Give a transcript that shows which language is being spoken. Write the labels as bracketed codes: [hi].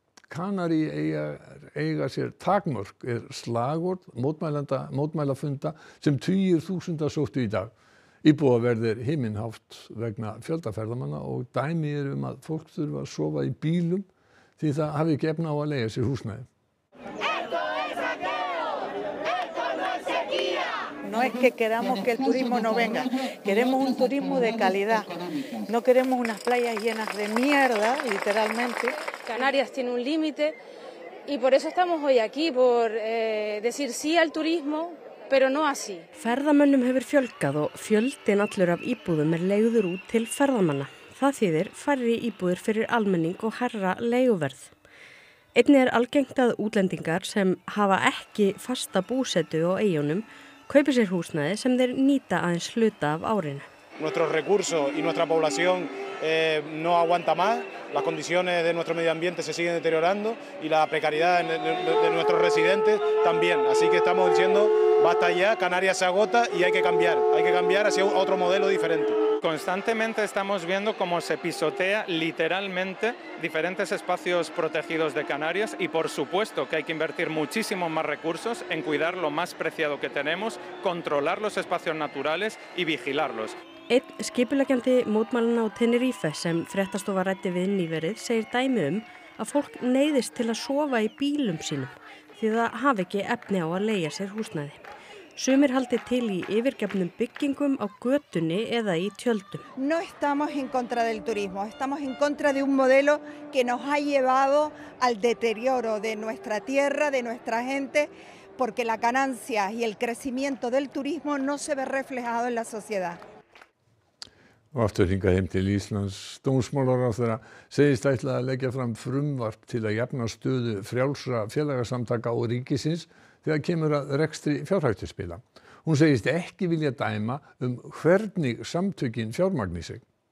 [is] Kanarí eiga sér takmörk er slagord mótmælafunda sem 20.000 sóttu í dag. Íbúaverðir himinhátt vegna fjöldaferðamanna og dæmi er að fólk þurfa að sofa í bílum því það hafi ekki efna á að leigja sér húsnæði. [es] No es que queramos que el turismo no venga, queremos un turismo de calidad. No queremos unas playas llenas de mierda, literalmente. Canarias tiene un límite y por eso estamos hoy aquí, por decir sí al turismo, pero no así. [is] Ferðamönnum hefur fjölgað og fjöldin allur af íbúðum leigður út til ferðamanna. Það þýðir færri íbúðir fyrir almenning og hærra leiguverð. Einnig algengt að útlendingar sem hafa ekki fasta búsetu á eyjunum kaupi sér húsnæði sem þeir nýta aðeins hluta af árinu. [es] Nuestro recurso y nuestra población no aguanta más. Las condiciones de nuestro medio ambiente se siguen deteriorando y la precariedad de nuestros residentes también. Así que estamos diciendo, basta ya, Canarias se agota y hay que cambiar hacia otro modelo diferente. Constantemente estamos viendo cómo se pisotea literalmente diferentes espacios protegidos de Canarias y por supuesto que hay que invertir muchísimo más recursos en cuidar lo más preciado que tenemos, controlar los espacios naturales y vigilarlos. [is] Einn skipuleggjandi mótmælana á Tenerife sem fréttastofa ræddi við nýverið segir dæmi að fólk neyðist til að sofa í bílum sínum því það hafi ekki efni á að leigja sér húsnæði. Sumir haldi til í yfirgefnum byggingum á götunni eða í tjöldum. [es] No estamos en contra del turismo, estamos en contra de un modelo que nos ha llevado al deterioro de nuestra tierra, de nuestra gente, porque la ganancia y el crecimiento del turismo no se ve reflejado en la sociedad. [is] Og aftur hingað heim til Íslands, dómsmálaráðherra segist ætla að leggja fram frumvarp til að jafna stöðu frjálsra félagasamtaka og ríkisins þegar kemur að rekstri fjárhættuspila. Hún segist ekki vilja dæma hvernig samtökin fjármagni sig.